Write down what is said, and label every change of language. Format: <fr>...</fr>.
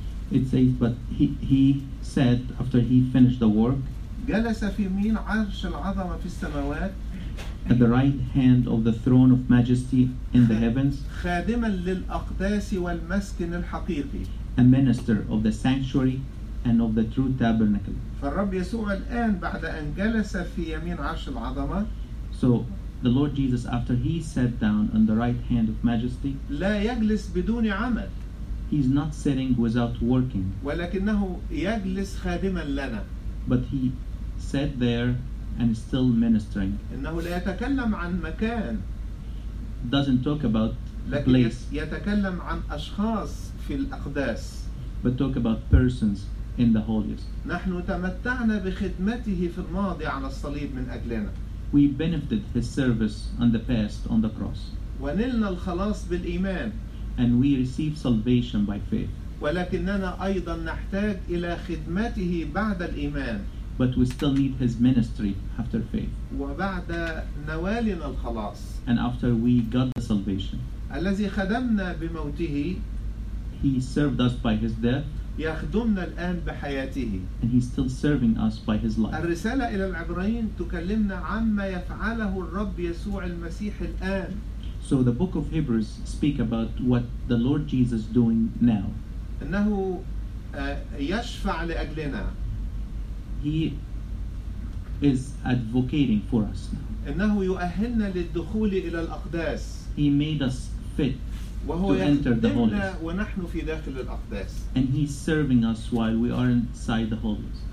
<en>It says, but he said after he finished the work.</en> <ar>جلس في يمين عرش العظمة في السماوات.</ar> <en>At the right hand of the throne of majesty in the heavens.</en> <ar>خادما للأقداس والمسكن الحقيقي.</ar> <en>A minister of the sanctuary and of the true tabernacle.</en> <ar>فالرب يسوع الآن بعد أن جلس في يمين عرش العظمة.</ar> <en>So the Lord Jesus, after he sat down on the right hand of majesty.</en> <ar>لا يجلس بدون عمل.</ar> <en>He's not sitting without working.</en> <ar>ولكنه يجلس خادما لنا.</ar> <en>But he sat there and is still ministering.</en> <ar>إنه لا يتكلم عن مكان.</ar> <en>Doesn't talk about place.</en> <ar>يتكلم عن أشخاص في الأقداس.</ar> <en>But talk about persons in the holiest.</en> <ar>نحن تمتعنا بخدمته في الماضي على الصليب من أجلنا.</ar> <en>We benefited his service on the past on the cross.</en> <ar>ونلنا الخلاص بالإيمان.</ar> <en>And we receive salvation by faith.</en> <ar>ولكننا أيضا نحتاج إلى خدمته بعد الإيمان.</ar> <en>But we still need his ministry after faith.</en> <ar>وبعد نوالنا الخلاص.</ar> <en>And after we got the salvation.</en> <ar>الذي خدمنا بموته.</ar> <en>He served us by his death.</en> <ar>يخدمنا الآن بحياته.</ar> <en>And he's still serving us by his life.</en> <ar>الرسالة إلى العبرين تكلمنا عما يفعله الرب يسوع المسيح الآن.</ar> <en>So the book of Hebrews speak about what the Lord Jesus is doing now.</en> <ar>إنه يشفع لأجلنا.</ar> <en>He is advocating for us now.</en> <ar>إنه يؤهلنا للدخول إلى الأقداس.</ar> <en>He made us fit</en> <ar>وهو</ar> <en>to enter the holiest.</en> <ar>ونحن في داخل الأقداس.</ar> <en>And he's serving us while we are inside the holiest.</en>